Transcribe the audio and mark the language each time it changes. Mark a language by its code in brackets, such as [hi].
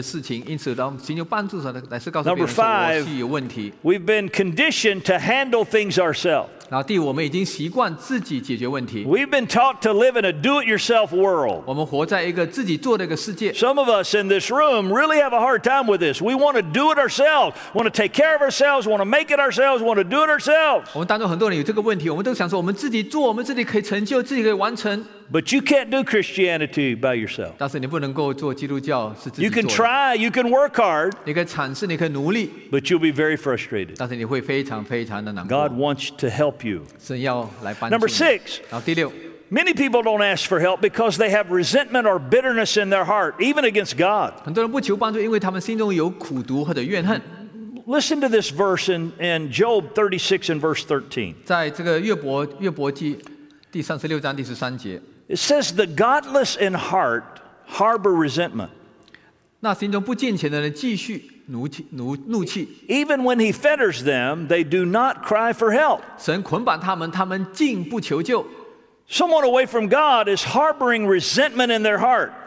[zh] 然后第四，我们不敢面对现实，我们在否认我们的事情，因此当寻求帮助时，乃是告诉别人说我是有问题。 [en] Number five, we've been conditioned to handle things ourselves. [zh] 然后第五，我们已经习惯自己解决问题。 [en] We've been taught to live in a do-it-yourself world. [zh] 我们活在一个自己做的一个世界。 [en] Some of us in this room really have a hard time with this. We want to do it ourselves. We want to take care of ourselves. We want to make it ourselves. We want to do it ourselves. [zh] 我们当中很多人有这个问题，我们都想说我们自己做，我们自己可以成就，自己可以完成。 [en] But you can't do Christianity by yourself. [zh] 但是你不能够做基督教是自己做的。 [en] You can try. You can work hard. [zh] 你可以尝试，你可以努力。 [en] But you'll be very frustrated. [zh] 但是你会非常非常的难过。 [en] God wants to help you. [zh] 神要来帮助你。 [en] Number six. [zh] 然后第六。 [en] Many people don't ask for help because they have resentment or bitterness in their heart, even against God. [zh] 很多人不求帮助，因为他们心中有苦毒或者怨恨。 [en] Listen to this verse in Job 36 and verse 13. [zh] 在这个约伯记第36章第13节。 [en] It says the godless in heart harbor resentment. [zh] 那心中不敬虔的人继续怒气。 [en] Even when he fetters them, they do not cry for help. [zh] 神捆绑他们，他们竟不求救。 [en] Someone away from God is harboring resentment in their heart.